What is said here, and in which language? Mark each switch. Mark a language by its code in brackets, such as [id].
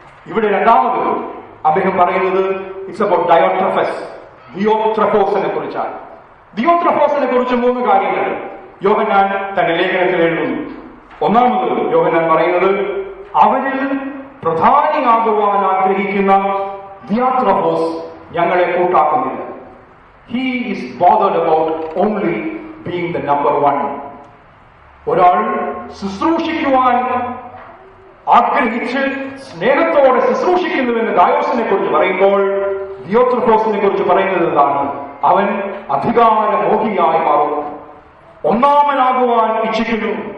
[ml] ഇവിടെ രണ്ടാമത് അദ്ദേഹം പറയുന്നത് [en] it's about Diotrephes, [ml] ദിയോട്രഫോസിനെ കുറിച്ചാണ്. ദിയോട്രഫോസിനെ കുറിച്ച് മൂന്ന് കാര്യങ്ങൾ യോഹന്നാൻ തന്റെ ലേഖനത്തിൽ എഴുതുന്നു. ഒന്നാമത് യോഹന്നാൻ പറയുന്നത്, അവരിൽ പ്രധാനിയാകുവാൻ ആഗ്രഹിക്കുന്ന ദിയോട്രഫോസ് ഞങ്ങളെ കൂട്ടാക്കുന്നില്ല. [en] He is bothered about only being the number one. [ml] ഒരാൾ ശുശ്രൂഷിക്കുവാൻ ആഗ്രഹിച്ച് സ്നേഹത്തോടെ ശുശ്രൂഷിക്കുന്നുവെന്ന് ഗായോസിനെ കുറിച്ച് പറയുമ്പോൾ, ദിയോത്രഫോസിനെ കുറിച്ച് പറയുന്നത് എന്താണ്? അവൻ അധികാരമോഹിയായി മാറും, ഒന്നാമനാകുവാൻ ഇച്ഛിക്കുന്നു.